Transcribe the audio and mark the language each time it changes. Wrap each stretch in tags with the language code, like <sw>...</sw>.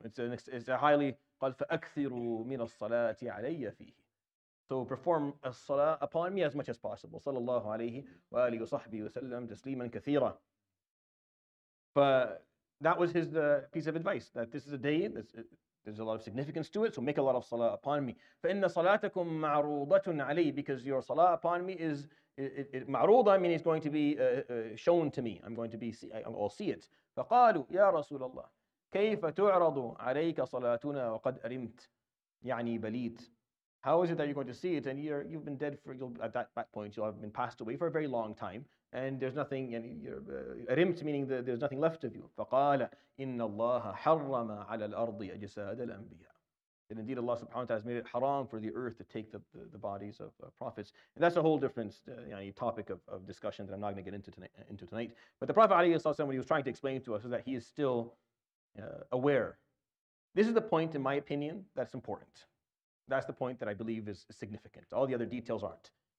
<en>It's a highly,</en> <ar>قَالْ فَأَكْثِرُوا مِنَ الصَّلَاةِ عَلَيَّ فِيهِ.</ar> <en>So perform a salah upon me as much as possible.</en> <ar>صلى الله عليه وآله وصحبه وسلم تسليما كثيرا.</ar> <en>But that was his piece of advice, that this is a day, there's a lot of significance to it, so make a lot of salah upon me.</en> <ar>فَإِنَّ صَلَاتَكُمْ مَعْرُوضَةٌ عَلَيْهِ,</ar> <en>because your salah upon me is, مَعْرُوضَةٌ, meaning it's going to be shown to me. I'll see it.</en> <ar>فَقَالُوا يَا رَسُولَ اللَّهِ. كيف تعرض عليك صلاتنا وقد أرمت يعني بليت.</ar> <en>How is it that you're going to see it and you've been dead for at that point you have been passed away for a very long time and there's nothing and you're أرمت meaning that there's nothing left of you.</en> <ar>فقال إن الله حرم على الأرض أجساد الأنبياء.</ar> <en>And indeed Allah subhanahu wa ta'ala has made it haram for the earth to take the bodies of prophets. And that's a whole different topic of discussion that I'm not going to get into tonight. But the Prophet alayhi salam, what he was trying to explain to us is that he is still aware. This is the point, in my opinion, that's important. That's the point that I believe is significant. All the other details aren't.</en>